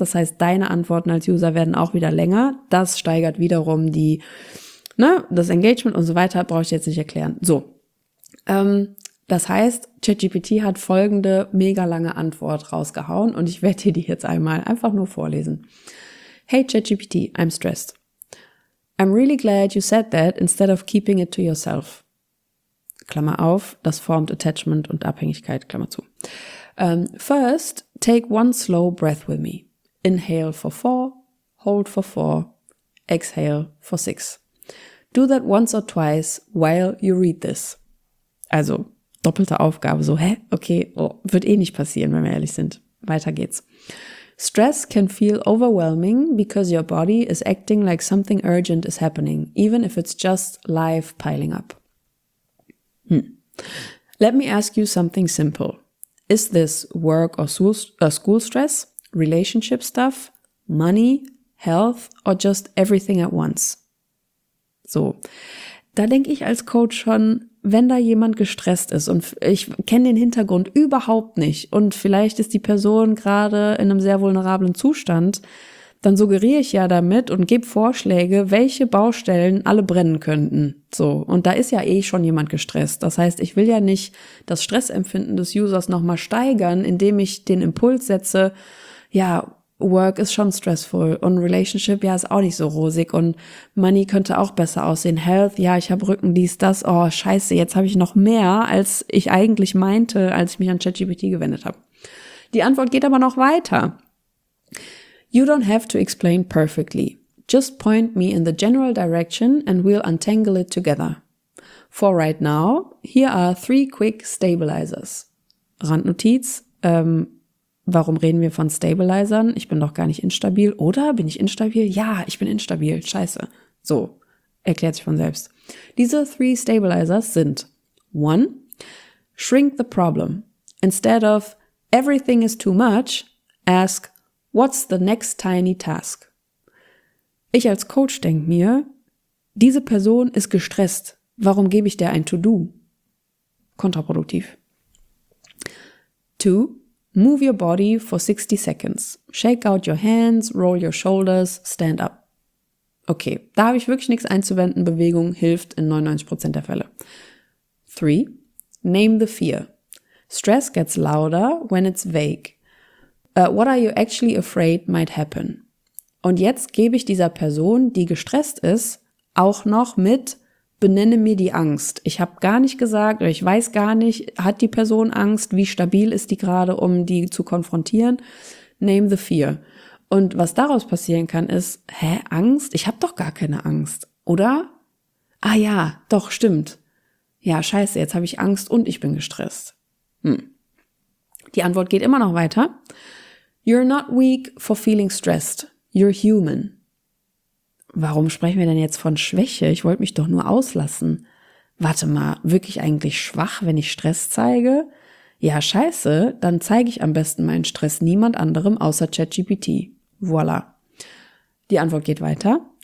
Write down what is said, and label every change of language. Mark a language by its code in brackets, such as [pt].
[de] Das heißt, deine Antworten als User werden auch wieder länger. Das steigert wiederum das Engagement und so weiter, brauche ich jetzt nicht erklären. So. Das heißt, ChatGPT hat folgende mega lange Antwort rausgehauen und ich werde dir die jetzt einmal einfach nur vorlesen. [en] Hey ChatGPT, I'm stressed. I'm really glad you said that instead of keeping it to yourself. [de] Klammer auf, das formt Attachment und Abhängigkeit, Klammer zu. [en] First, take one slow breath with me. Inhale for 4, hold for 4, exhale for 6. Do that once or twice while you read this. [de] Also doppelte Aufgabe, so, okay, wird nicht passieren, wenn wir ehrlich sind. Weiter geht's. [en] Stress can feel overwhelming because your body is acting like something urgent is happening, even if it's just life piling up. Let me ask you something simple. Is this work or school stress, relationship stuff, money, health or just everything at once? [de] So, da denke ich als Coach schon, wenn da jemand gestresst ist und ich kenne den Hintergrund überhaupt nicht und vielleicht ist die Person gerade in einem sehr vulnerablen Zustand, dann suggeriere ich ja damit und gebe Vorschläge, welche Baustellen alle brennen könnten. So, und da ist ja schon jemand gestresst. Das heißt, ich will ja nicht das Stressempfinden des Users nochmal steigern, indem ich den Impuls setze, ja, Work ist schon stressful und Relationship, ja, ist auch nicht so rosig und Money könnte auch besser aussehen. Health, ja, ich habe Rücken, dies, das, oh scheiße, jetzt habe ich noch mehr, als ich eigentlich meinte, als ich mich an ChatGPT gewendet habe. Die Antwort geht aber noch weiter. [en] You don't have to explain perfectly. Just point me in the general direction and we'll untangle it together. For right now, here are 3 quick stabilizers. [de] Randnotiz, warum reden wir von Stabilizern? Ich bin doch gar nicht instabil. Oder bin ich instabil? Ja, ich bin instabil. Scheiße. So, erklärt sich von selbst. Diese 3 Stabilizers sind 1. [en] Shrink the problem. Instead of everything is too much, ask what's the next tiny task? [de] Ich als Coach denke mir, diese Person ist gestresst. Warum gebe ich der ein To-Do? Kontraproduktiv. 2. [en] Move your body for 60 seconds. Shake out your hands, roll your shoulders, stand up. [de] Okay, da habe ich wirklich nichts einzuwenden. Bewegung hilft in 99% der Fälle. [en] 3. Name the fear. Stress gets louder when it's vague. What are you actually afraid might happen? [de] Und jetzt gebe ich dieser Person, die gestresst ist, auch noch mit benenne mir die Angst. Ich habe gar nicht gesagt, oder ich weiß gar nicht, hat die Person Angst? Wie stabil ist die gerade, um die zu konfrontieren? [en] Name the fear. [de] Und was daraus passieren kann, ist, Angst? Ich habe doch gar keine Angst, oder? Ah ja, doch, stimmt. Ja, scheiße, jetzt habe ich Angst und ich bin gestresst. Die Antwort geht immer noch weiter. [en] You're not weak for feeling stressed. You're human. [de] Warum sprechen wir denn jetzt von Schwäche? Ich wollte mich doch nur auslassen. Warte mal, wirklich eigentlich schwach, wenn ich Stress zeige? Ja, scheiße, dann zeige ich am besten meinen Stress niemand anderem außer ChatGPT. Voila. Die Antwort geht weiter.